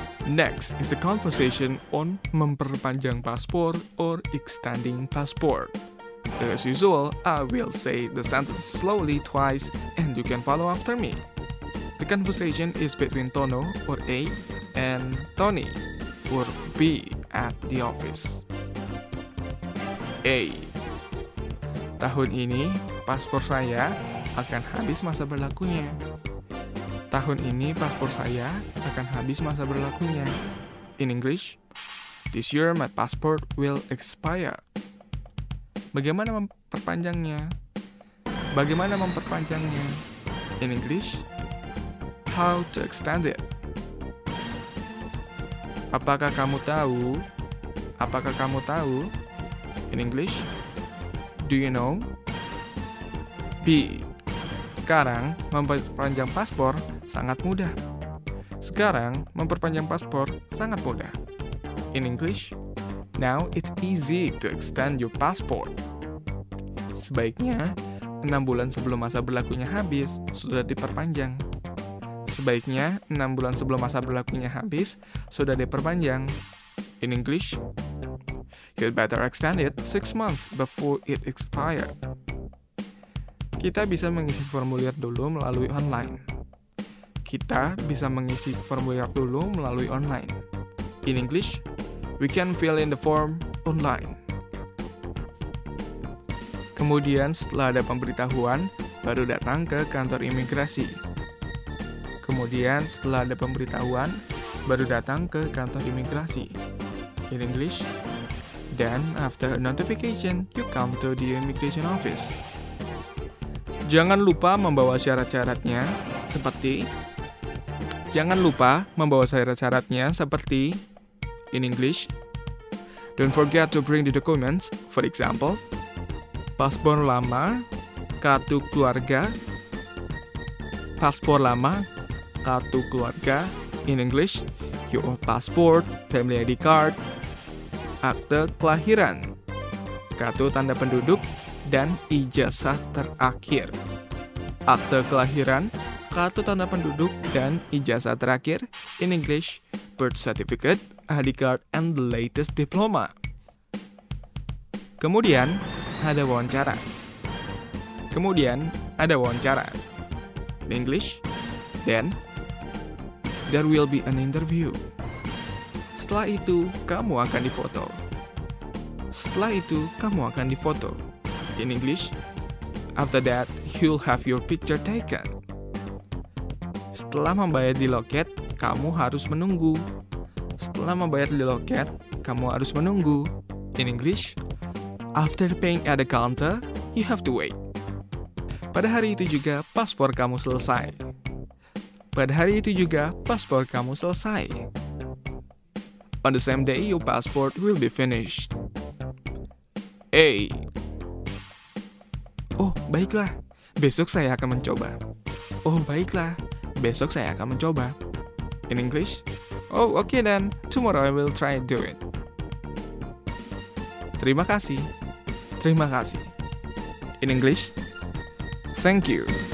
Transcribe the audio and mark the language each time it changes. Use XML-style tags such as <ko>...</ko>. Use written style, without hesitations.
<en>Next is a conversation on</en> <id>memperpanjang paspor</id> <en>or extending passport. As usual, I will say the sentence slowly twice and you can follow after me. The conversation is between Tono, or A, and Tony, or B, at the office. A.</en> <id>Tahun ini, paspor saya akan habis masa berlakunya. Tahun ini, paspor saya akan habis masa berlakunya.</id> <en>In English, this year my passport will expire.</en> <id>Bagaimana memperpanjangnya? Bagaimana memperpanjangnya?</id> <en>In English, how to extend it?</en> <id>Apakah kamu tahu? Apakah kamu tahu?</id> <en>In English, do you know? B.</en> <id>Sekarang memperpanjang paspor sangat mudah. Sekarang memperpanjang paspor sangat mudah.</id> <en>In English, now it's easy to extend your passport.</en> <id>Sebaiknya 6 bulan sebelum masa berlakunya habis sudah diperpanjang. Sebaiknya 6 bulan sebelum masa berlakunya habis sudah diperpanjang.</id> <en>In English, you'd better extend it 6 months before it expires.</en> <id>Kita bisa mengisi formulir dulu melalui online. Kita bisa mengisi formulir dulu melalui online.</id> <en>In English, we can fill in the form online.</en> <id>Kemudian setelah ada pemberitahuan, baru datang ke kantor imigrasi. Kemudian setelah ada pemberitahuan, baru datang ke kantor imigrasi.</id> <en>In English, then after notification, you come to the immigration office.</en> <id>Jangan lupa membawa syarat-syaratnya seperti. Jangan lupa membawa syarat-syaratnya seperti.</id> <en>In English, don't forget to bring the documents, for example,</en> <id>paspor lama, kartu keluarga. Paspor lama, kartu keluarga.</id> <en>In English, your passport, family ID card,</en> <id>akte kelahiran, kartu tanda penduduk, dan ijazah terakhir. Akte kelahiran, kartu tanda penduduk, dan ijazah terakhir.</id> <en>In English, birth certificate, ID card, and the latest diploma.</en> <id>Kemudian, ada wawancara. Kemudian, ada wawancara.</id> <en>In English, then, there will be an interview.</en> <id>Setelah itu, kamu akan difoto. Setelah itu, kamu akan difoto.</id> <en>In English, after that, you'll have your picture taken.</en> <id>Setelah membayar di loket, kamu harus menunggu. Setelah membayar di loket, kamu harus menunggu.</id> <en>In English, after paying at the counter, you have to wait.</en> <id>Pada hari itu juga, paspor kamu selesai. Pada hari itu juga, paspor kamu selesai.</id> <en>On the same day, your passport will be finished. A.</en> <id>Oh, baiklah. Besok saya akan mencoba. Oh, baiklah. Besok saya akan mencoba.</id> <en>In English? Oh, okay then. Tomorrow I will try to do it.</en> <id>Terima kasih. Terima kasih.</id> <en>In English? Thank you.</en>